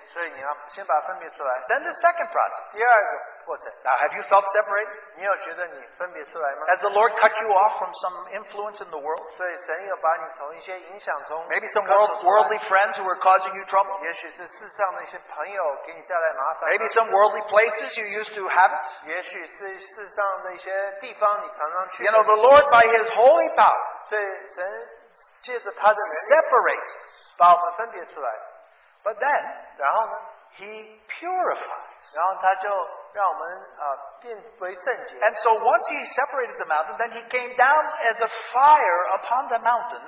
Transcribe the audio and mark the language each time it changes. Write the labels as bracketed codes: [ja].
[zh] 所以你要先把它分别出来。 [en] Then the second process. [zh] 第二个, [en] now, have you felt separated? [zh] 你有觉得你分别出来吗? [en] Has the Lord cut you off from some influence in the world? [zh] 所以神有把你从一些影响中, [en] maybe some worldly friends who are causing you trouble? [zh] 也许是世上的一些朋友给你带来麻烦, [en] maybe some worldly places you used to have it? [zh] 也许是世上的一些地方你常常去, [en] you know, the Lord by His holy power, [zh] 所以神借着他的人, [en] separates, [zh] 把我们分别出来, [en] but then, [zh] 然后呢, [en] He purifies, [zh] 然后他就, 让我们, [en] and so once he separated the mountain, then he came down as a fire upon the mountain.